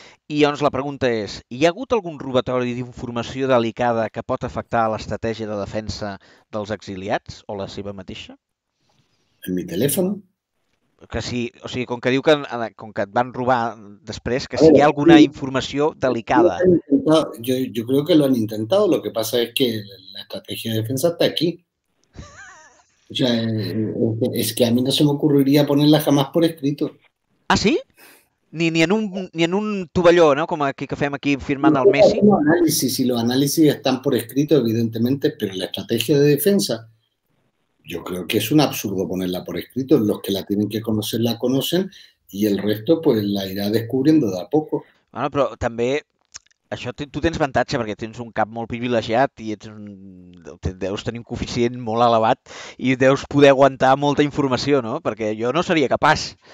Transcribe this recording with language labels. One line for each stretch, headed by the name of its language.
Catalan: I llavors la pregunta és, hi ha hagut algun robatori d'informació delicada que pot afectar l'estratègia de defensa dels exiliats o la seva mateixa?
Spanish: En mi telèfon.
Catalan: Que sí, o sigui, com que diu que, com que et van robar després, que si hi ha alguna informació delicada.
Spanish: Yo creo que lo han intentado, lo que pasa es que la estrategia de defensa está aquí. O sea, es que a mí no se me ocurriría ponerla jamás por escrito.
Catalan: Ah, sí? Ni en un tovalló, ¿no? Como aquí que fem aquí firmant el Messi.
Spanish: No, los análisis están por escrito, evidentemente, pero la estrategia de defensa, yo creo que es un absurdo ponerla por escrito. Los que la tienen que conocer la conocen y el resto pues la irá descubriendo de a poco. Bueno, pero también
Catalan: Això tu tens avantatge perquè tens un cap molt privilegiat i deus tenir un coeficient molt elevat i deus poder aguantar molta informació, no? Perquè jo no seria capaç.